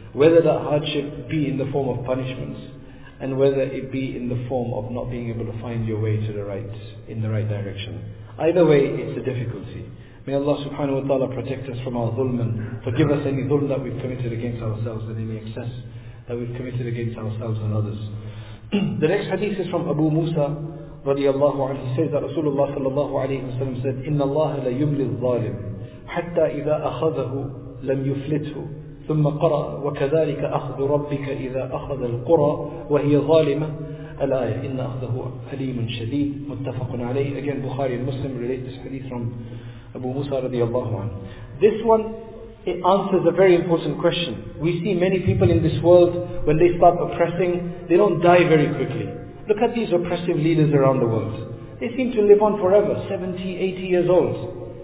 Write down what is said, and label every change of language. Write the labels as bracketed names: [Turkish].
[English] Whether that hardship be in the form of punishments, and whether it be in the form of not being able to find your way to the right, in the right direction. Either way, it's a difficulty. May Allah subhanahu wa ta'ala protect us from our ظُلْم, and forgive us any ظُلْم that we've committed against ourselves and any excess that we've committed against ourselves and others. The next hadith is from Abu Musa radiallahu anhu. He says that Rasulullah sallallahu alayhi wa sallam said, [Arabic] إِنَّ اللَّهَ لَيُمْلِي الظَّالِمِ حَتَّى إِذَا أَخَذَهُ لَمْ يُفْلِتْهُ ثُمَّ قَرَأَ وَكَذَلِكَ أَخْذُ رَبِّكَ إِذَا أَخَذَ الْقُرَى وَهِيَ ظَالِمَةَ الْآيَةِ إِنَّ أَخْذَهُ أَلِيمٌ شَدِيدٌ مُتَّفَقٌ عَلَيْهِ. [English] Again, Bukhari and Muslim relate this hadith from Abu Musa radiallahu anhu. This one, it answers a very important question. We see many people in this world, when they start oppressing, they don't die very quickly. Look at these oppressive leaders around the world. They seem to live on forever, 70, 80 years old.